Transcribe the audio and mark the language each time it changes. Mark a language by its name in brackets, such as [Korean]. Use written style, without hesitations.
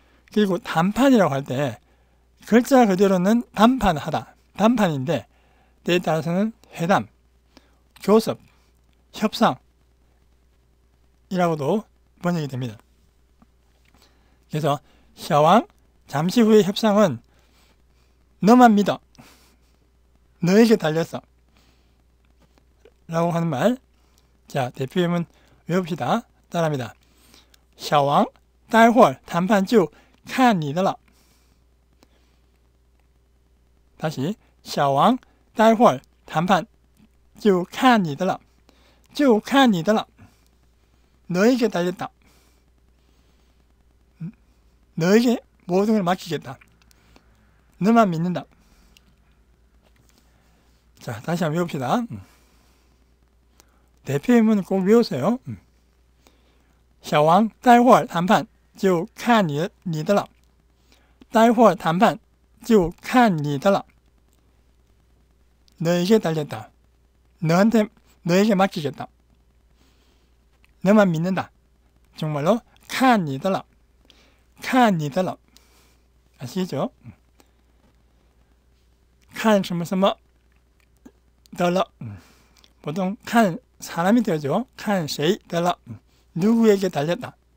[Korean] 그리고 단판이라고 할 때 글자 그대로는 단판하다, 단판인데 때에 따라서는 회담, 교섭, 협상이라고도 번역이 됩니다. 그래서 샤왕 잠시 후에 협상은 너만 믿어, 너에게 달렸어 라고 하는 말. 자, 대표문 외웁시다. 따라합니다. [Chinese] 샤왕 待会儿 谈判就看你的了. [Korean] 다시 [Chinese] 샤왕 待会儿 谈判就看你的了就看你的了. [Korean] 너에게 달렸다, 너에게 모든 걸 맡기겠다, 너만 믿는다. 자, 다시 한번 외웁시다. 대표문 꼭 외우세요. [Chinese] 샤왕 待会儿 谈判就看你的了 待会儿 谈判就看你的了. [Korean] 너에게 달렸다, 너에게 맡기겠다, 너만 믿는다. 정말로 [Chinese] 看你的了 看你的了. [Korean] 아시죠? [Chinese] 看什么什么得了. [Korean] 보통 看 사람이 되죠. [Chinese] 看谁得了. [Korean] 누구에게 달렸다.